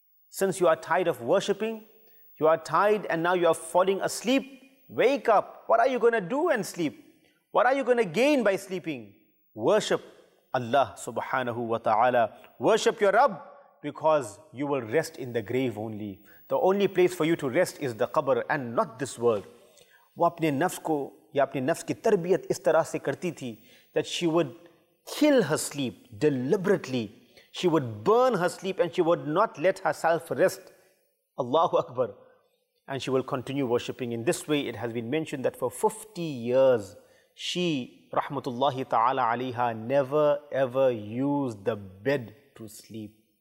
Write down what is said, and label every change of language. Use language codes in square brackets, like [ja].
[en] Since you are tired of worshipping, you are tired and now you are falling asleep, wake up. What are you going to do and sleep? What are you going to gain by sleeping? Worship Allah subhanahu wa ta'ala. Worship your Rabb. because you will rest in the grave only. The only place for you to rest is the qabr and not this world. [ur] وہ اپنے نفس کو یا اپنے نفس کی تربیت اس طرح سے کرتی تھی [en] that she would kill her sleep deliberately. She would burn her sleep and she would not let herself rest. Allahu Akbar. And she will continue worshipping. In this way, it has been mentioned that for 50 years, she, rahmatullahi ta'ala alayha, never ever used the bed to sleep.